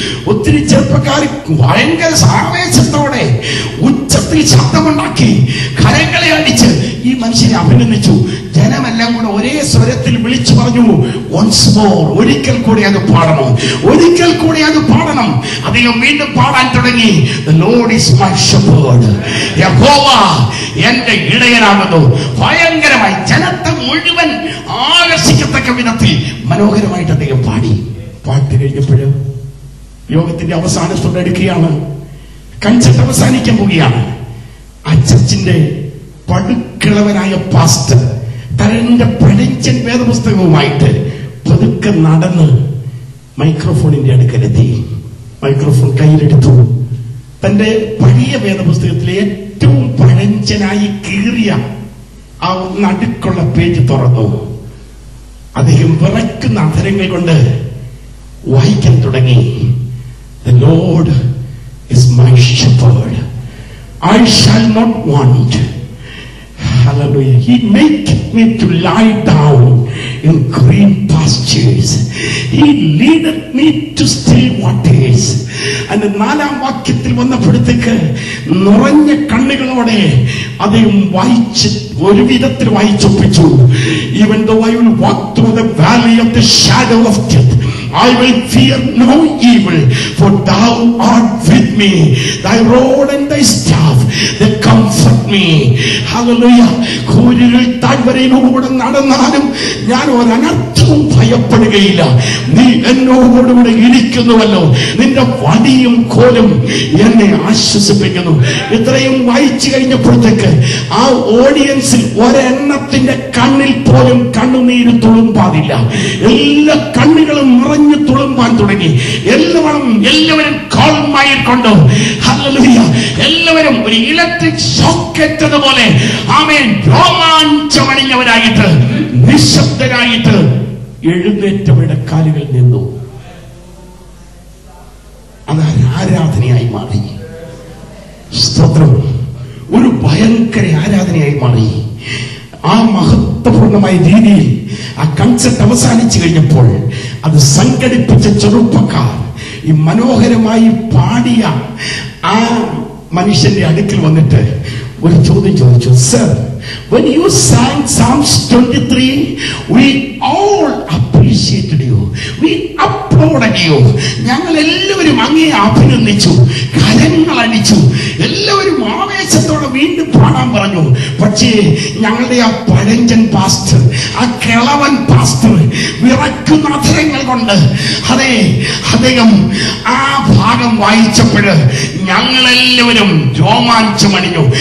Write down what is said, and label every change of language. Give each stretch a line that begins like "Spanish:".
Malayalam: ഒത്തിരി ചെറുപ്പക്കാർ ഭയങ്കര ആവേശത്തോടെ ഉച്ചത്തിൽ ശബ്ദമുണ്ടാക്കി, കരങ്ങളെ അടിച്ച് ഈ മനുഷ്യനെ അഭിനന്ദിച്ചു. ജനമെല്ലാം കൂടെ ഒരേ സ്വരത്തിൽ വിളിച്ചു പറഞ്ഞു,
English: once more,
Malayalam: ഒരിക്കൽ കൂടി അത് പാടണം, ഒരിക്കൽ കൂടി അത് പാടണം. അദ്ദേഹം വീണ്ടും പാടാൻ തുടങ്ങി.
English: The Lord is my shepherd,
Malayalam: യഹോവ എന്റെ ഇടയനാകുന്നു. ഭയങ്കരമായി ജനത്തെ മുഴുവൻ ആകർഷിക്കത്തക്ക വിധത്തിൽ മനോഹരമായിട്ട് അദ്ദേഹം പാടി. പാട്ട് കഴിഞ്ഞപ്പോഴും യോഗത്തിന്റെ അവസാന തുടരുകയാണ്, കൺസെർട്ട് അവസാനിക്കാൻ പോവുകയാണ്. ആ ചർച്ചിന്റെ പടുക്കിളവനായ പാസ്റ്റർ തന്റെ പഴഞ്ചൻ വേദപുസ്തകവുമായിട്ട് പതുക്കെ നടന്ന് മൈക്രോഫോണിന്റെ അടുക്കലെത്തി. മൈക്രോഫോൺ കയ്യിലെടുത്തു. തന്റെ പഴയ വേദപുസ്തകത്തിലെ ഏറ്റവും പഴഞ്ചനായി കീറിയ ആ നടുക്കുള്ള പേജ് തുറന്നു. അദ്ദേഹം വിറയ്ക്കുന്ന അധരങ്ങൾ കൊണ്ട് വായിക്കാൻ തുടങ്ങി.
English: The Lord is my shepherd, I shall not want. Hallelujah. He makes me to lie down in green pastures. He leadeth me to still waters. And in the 4th
Malayalam: വാക്യത്തിൽ വന്നപ്പോഴത്തേക്ക് നിറഞ്ഞ കണ്ണുകളോടെ അദ്ദേഹം വായിച്ച് ഒരു വിധത്തിൽ വായിച്ചൊപ്പിച്ചു.
English: Even though I will walk through the valley of the shadow of death, I will fear no evil, for thou art with me. Thy rod and thy staff, they comfort me. Hallelujah.
Malayalam: കൂരിരുൾ താഴ്വരയിലൂടെ നടന്നാലും ഞാൻ ഒരനർത്ഥവും ഭയപ്പെടുകയില്ല. നീ എന്നോടുകൂടെ ഇരിക്കുന്നുവല്ലോ, നിന്റെ വടിയും കോലും എന്നെ ആശ്വസിപ്പിക്കുന്നു. ഇത്രയും വായിച്ചു കഴിഞ്ഞപ്പോഴത്തേക്ക് ആ ഓഡിയൻസിൽ ഒരെണ്ണത്തിന്റെ കണ്ണിൽ പോലും കണ്ണുനീര് തുളുമ്പാതില്ല. എല്ലാ കണ്ണുകളും നിറഞ്ഞു തുളുമ്പാൻ തുടങ്ങി. എല്ലാവരും കോളമായി കൊണ്ടു. ഹല്ലേലൂയ. എല്ലാവരും ഒരു ഇലക്ട്രിക് ഷോക്ക് ഏറ്റതുപോലെ ആമേൻ രോമാഞ്ചമണിഞ്ഞവരായിട്ട് നിശബ്ദരായിട്ട് എഴുന്നേറ്റവരുടെ കാലുകൾ നിന്നു. ആരാധനയായി മാറി. സ്തോത്രം. ഒരു ഭയങ്കര ആരാധനയായി മാറി. ആ മഹത്വപൂർണമായ രീതിയിൽ ആ കൺസെർട്ട് അവസാനിച്ചു കഴിഞ്ഞപ്പോൾ അത് സംഘടിപ്പിച്ച ചെറുപ്പക്കാർ ഈ മനോഹരമായി പാടിയ ആ മനുഷ്യന്റെ അടുക്കിൽ വന്നിട്ട് ഒരു ചോദ്യം ചോദിച്ചു.
English: Sir, when you sang Psalms 23, we all appreciated you. We applauded you.
Malayalam: ഞങ്ങളെല്ലാവരും അങ്ങേ അഭിനന്ദിച്ചു, കരങ്ങൾ അടിച്ചു, എല്ലാവരും ആവേശത്തോടെ വീണ്ടും പാടാൻ പറഞ്ഞു. പക്ഷേ ഞങ്ങളുടെ ആ പഴഞ്ചൻ പാസ്റ്റർ, ആ കിളവൻ പാസ്റ്റർ വിറയ്ക്കുന്ന അധരങ്ങൾ കൊണ്ട് അദ്ദേഹം ആ ഭാഗം വായിച്ചപ്പോഴ് ഞങ്ങളെല്ലാവരും രോമാഞ്ചമണിഞ്ഞു.